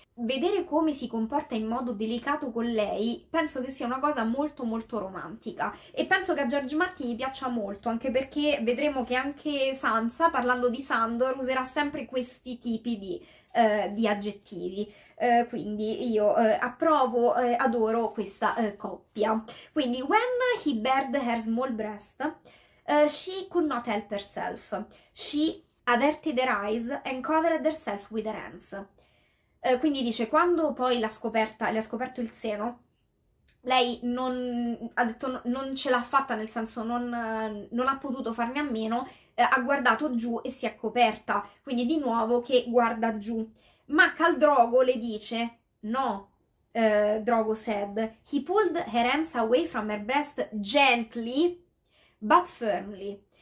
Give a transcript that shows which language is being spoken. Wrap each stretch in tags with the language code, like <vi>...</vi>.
<it>Vedere come si comporta in modo delicato con lei penso che sia una cosa molto molto romantica e penso che a George Martin gli piaccia molto, anche perché vedremo che anche Sansa, parlando di Sandor, userà sempre questi tipi di aggettivi. Quindi io approvo, adoro questa coppia.</it> <en>Quindi, when he bared her small breast, she could not help herself. She averted her eyes and covered herself with her hands.</en> <it>Quindi dice, quando poi l'ha scoperta, le ha scoperto il seno, lei non, ha detto non ce l'ha fatta, nel senso non ha potuto farne a meno, ha guardato giù e si è coperta. Quindi di nuovo che guarda giù. Ma Khal Drogo le dice,</it> <en>no, Drogo said, he pulled her hands away from her breast gently but firmly.</en>